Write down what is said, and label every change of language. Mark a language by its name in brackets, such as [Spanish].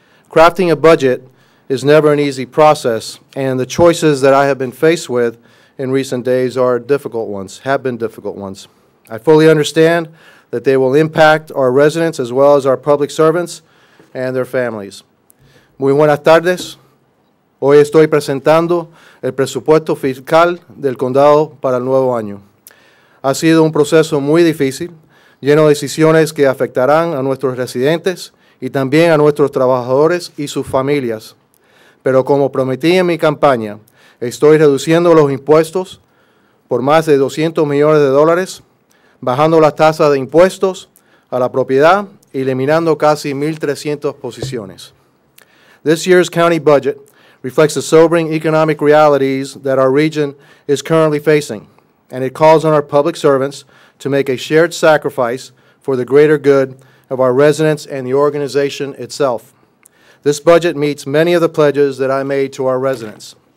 [English] Crafting a budget is never an easy process, and the choices that I have been faced with in recent days have been difficult ones. I fully understand that they will impact our residents as well as our public servants and their families. [Spanish] Muy buenas tardes. Hoy estoy presentando el presupuesto fiscal del condado para el nuevo año. Ha sido un proceso muy difícil, lleno de decisiones que afectarán a nuestros residentes y también a nuestros trabajadores y sus familias. Pero como prometí en mi campaña, estoy reduciendo los impuestos por más de $200 millones, bajando las tasas de impuestos a la propiedad, eliminando casi 1,300 posiciones. [English] This year's county budget reflects the sobering economic realities that our region is currently facing, and it calls on our public servants to make a shared sacrifice for the greater good of our residents and the organization itself. This budget meets many of the pledges that I made to our residents.